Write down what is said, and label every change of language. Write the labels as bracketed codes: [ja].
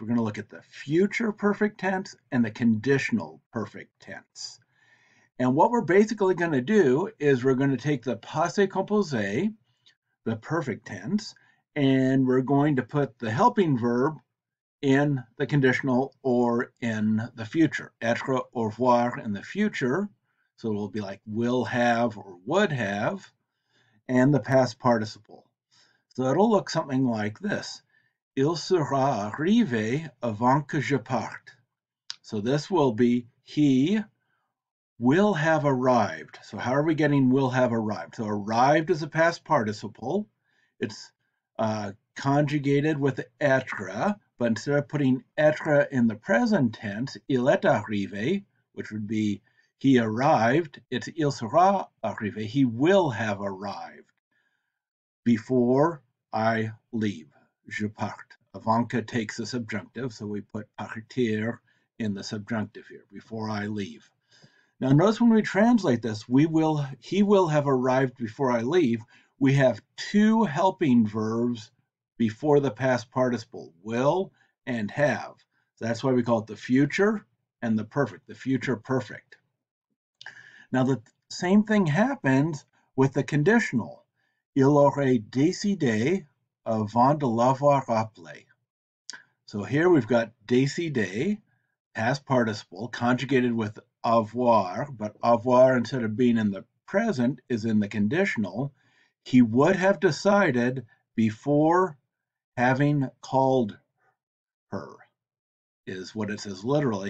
[en] We're going to look at the future perfect tense and the conditional perfect tense. And what we're basically going to do is we're going to take the passé composé, the perfect tense, and we're going to put the helping verb in the conditional or in the future. [fr] Être ou voir [en] in the future. So it will be like will have or would have, and the past participle. So it'll look something like this. [fr] Il sera arrivé avant que je parte. [en] So this will be he will have arrived. So how are we getting will have arrived? So arrived is a past participle. It's conjugated with être, but instead of putting être in the present tense, [fr] il est arrivé, [en] which would be he arrived, it's [fr] il sera arrivé, [en] he will have arrived before I leave, [fr] je parte. [en] Avanka takes the subjunctive, so we put partir in the subjunctive here, before I leave. Now notice when we translate this, he will have arrived before I leave, we have two helping verbs before the past participle, will and have. That's why we call it the future and the perfect, the future perfect. Now the same thing happens with the conditional. [fr] Il aurait décidé avant de l'avoir appelé. [en] So here we've got décidé, past participle, conjugated with avoir, but avoir instead of being in the present is in the conditional. He would have decided before having called her, is what it says literally.